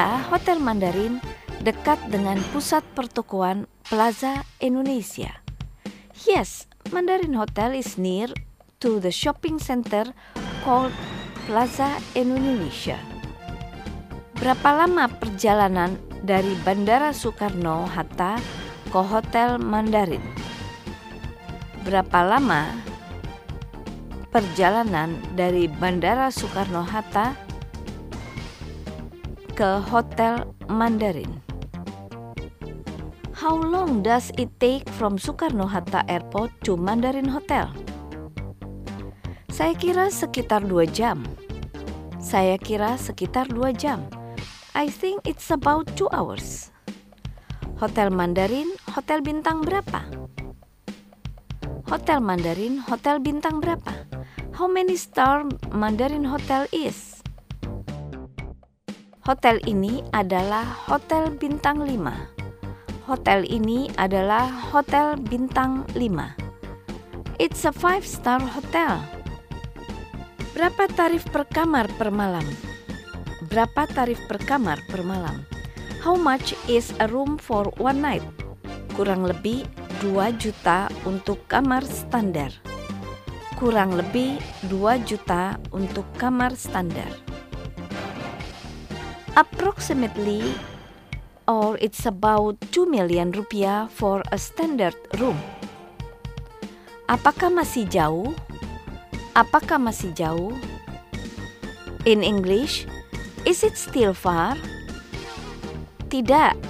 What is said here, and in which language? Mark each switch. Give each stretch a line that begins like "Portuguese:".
Indonesian: Hotel Mandarin dekat dengan pusat pertokoan Plaza Indonesia.
English: Yes, Mandarin Hotel is near to the shopping center called Plaza Indonesia.
Indonesian: Berapa lama perjalanan dari Bandara Soekarno-Hatta ke Hotel Mandarin? Berapa lama perjalanan dari Bandara Soekarno-Hatta ke Hotel Mandarin?
English: How long does it take from Soekarno-Hatta Airport to Mandarin Hotel?
Indonesian: Saya kira sekitar 2 jam. Saya kira sekitar 2 jam.
English: I think it's about 2 hours.
Indonesian: Hotel Mandarin, hotel bintang berapa? Hotel Mandarin, hotel bintang berapa?
English: How many star Mandarin Hotel is?
Indonesian: Hotel ini adalah hotel bintang 5. Hotel ini adalah hotel bintang 5.
English: It's a 5-star hotel.
Indonesian: Berapa tarif per kamar per malam? Berapa tarif per kamar per malam?
English: How much is a room for one night?
Indonesian: Kurang lebih 2 juta untuk kamar standar. Kurang lebih 2 juta untuk kamar standar.
English: Approximately or it's about 2 million rupiah for a standard room.
Indonesian: Apakah masih jauh? Apakah masih jauh?
English: In English, is it still far?
Indonesian: Tidak,